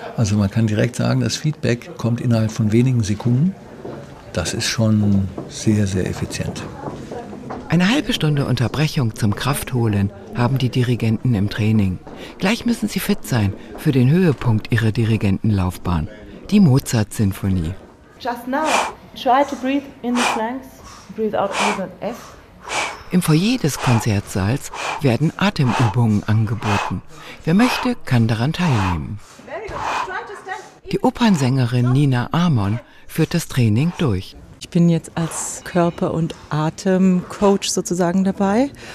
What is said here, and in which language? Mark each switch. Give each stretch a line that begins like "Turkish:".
German: Also man kann direkt sagen, das Feedback kommt innerhalb von wenigen Sekunden. Das ist schon sehr, sehr effizient. Eine halbe Stunde Unterbrechung zum Kraftholen haben die Dirigenten im Training. Gleich müssen sie fit sein für den Höhepunkt ihrer Dirigentenlaufbahn, die Mozart-Sinfonie.
English: Just now, try to breathe in the flanks, breathe out with an F.
German: Im Foyer des Konzertsaals werden Atemübungen angeboten. Wer möchte, kann daran teilnehmen. Die Opernsängerin Nina Amon führt das Training durch. Ich bin jetzt als Körper- und Atemcoach sozusagen dabei.